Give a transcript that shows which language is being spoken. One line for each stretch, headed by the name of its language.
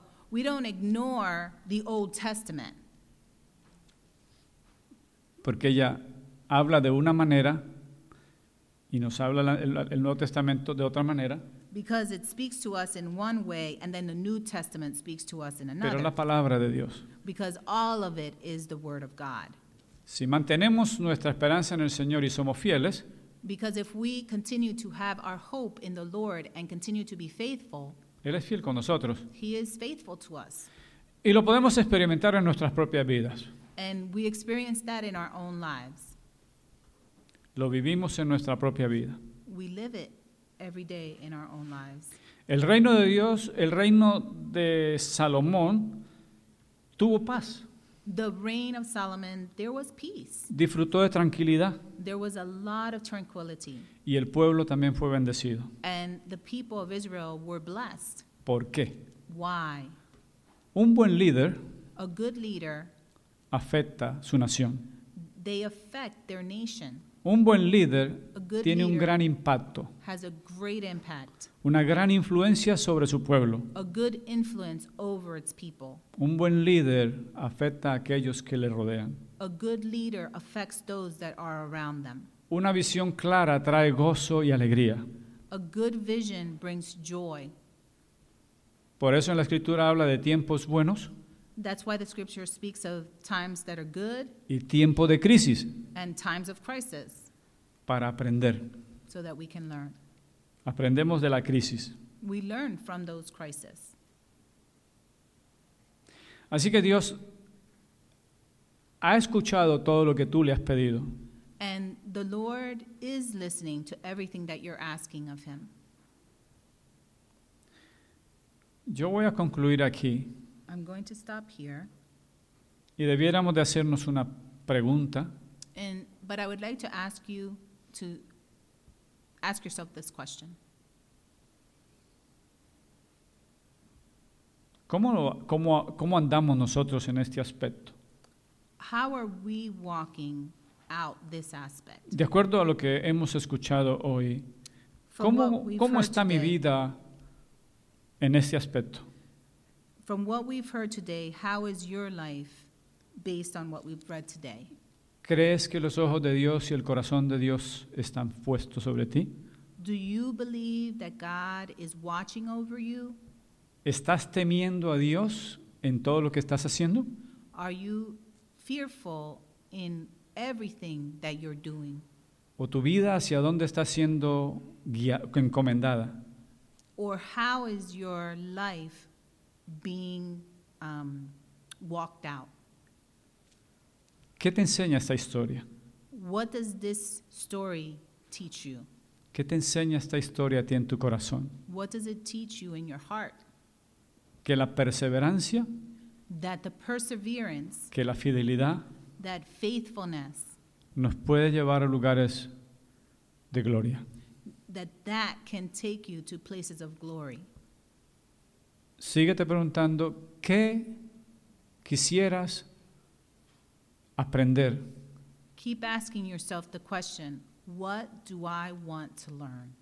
English: We don't ignore the Old Testament.
Spanish: Porque ella habla de una manera y nos habla el Nuevo Testamento de otra manera.
English: Because it speaks to us in one way and then the New Testament speaks to us in another.
Spanish: Pero la palabra de Dios.
English: Because all of it is the word of God.
Spanish: Si mantenemos nuestra esperanza en el Señor y somos fieles,
English: because if we continue to have our hope in the Lord and continue to be faithful,
Spanish: Él es fiel con nosotros.
English: He is faithful to us.
Spanish: Y lo podemos experimentar en nuestras propias vidas.
English: And we experience that in our own lives.
Spanish: Lo vivimos en nuestra propia vida.
English: We live it every day in our own lives.
Spanish: El reino de Dios, el reino de Salomón, tuvo paz.
English: The reign of Solomon, there was peace.
Spanish: Disfrutó de tranquilidad.
English: There was a lot of tranquility.
Spanish: Y el pueblo también fue bendecido.
English: And the people of Israel were blessed.
Spanish: ¿Por qué?
English: Why?
Spanish: Un buen líder,
English: a good leader,
Spanish: afecta su nación.
English: They affect their nation.
Spanish: Un buen líder tiene un gran impacto.
English: Has a great impact.
Spanish: Una gran influencia sobre su pueblo.
English: A good influence over its people.
Spanish: Un buen líder afecta a aquellos que le rodean.
English: A good leader affects those that are around them.
Spanish: Una visión clara trae gozo y alegría.
English: A good vision brings joy.
Spanish: Por eso en la Escritura habla de tiempos buenos.
English: That's why the scripture speaks of times that are good.
Spanish: Y tiempo de crisis.
English: And times of crisis.
Spanish: Para aprender.
English: So that we can learn.
Spanish: Aprendemos de la crisis.
English: We learn from those crises.
Spanish: Así que Dios ha escuchado todo lo que tú le has pedido.
English: And the Lord is listening to everything that you're asking of him.
Spanish: Yo voy a concluir aquí.
English: I'm going to stop here.
Spanish: Y debiéramos de hacernos una pregunta.
English: But I would like to ask you to ask yourself this question.
Spanish: ¿Cómo andamos nosotros en este aspecto?
English: How are we walking out this aspect?
Spanish: De acuerdo a lo que hemos escuchado hoy, ¿cómo está
English: today,
Spanish: mi vida en este aspecto?
English: From what we've heard today, how is your life based on what we've read today?
Spanish: ¿Crees que los ojos de Dios y el corazón de Dios están puestos sobre ti?
English: Do you believe that God is watching over you?
Spanish: ¿Estás temiendo a Dios en todo lo que estás haciendo?
English: Are you fearful in everything that you're doing?
Spanish: ¿O tu vida hacia dónde está siendo encomendada?
English: Or how is your life being walked out?
Spanish: ¿Qué te enseña esta historia?
English: What does this story teach you?
Spanish: ¿Qué te enseña esta historia a ti en tu corazón?
English: What does it teach you in your heart?
Spanish: Que la perseverancia,
English: that the perseverance,
Spanish: que la fidelidad,
English: that faithfulness,
Spanish: nos puede llevar a lugares de gloria.
English: That can take you to places of glory.
Spanish: Síguete preguntando, ¿qué quisieras aprender?
English: Keep asking yourself the question, what do I want to learn?